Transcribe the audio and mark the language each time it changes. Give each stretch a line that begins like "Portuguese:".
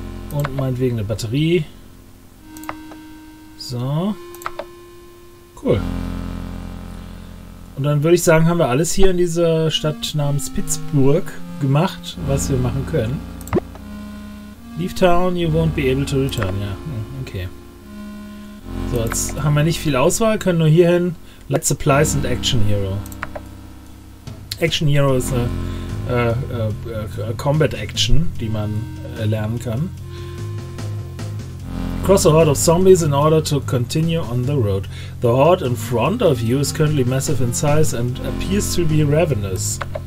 German: Und meinetwegen eine Batterie. So. Cool. Und dann würde ich sagen, haben wir alles hier in dieser Stadt namens Pittsburgh gemacht, was wir machen können.
English: Leave town, you won't be able to return.
German: Ja, okay. So, jetzt haben wir nicht viel Auswahl, können nur hierhin. Light Supplies and Action Hero. Action Hero ist eine Combat Action, die man lernen kann.
English: Cross a horde of zombies in order to continue on the road. The horde in front of you is currently massive in size and appears to be ravenous.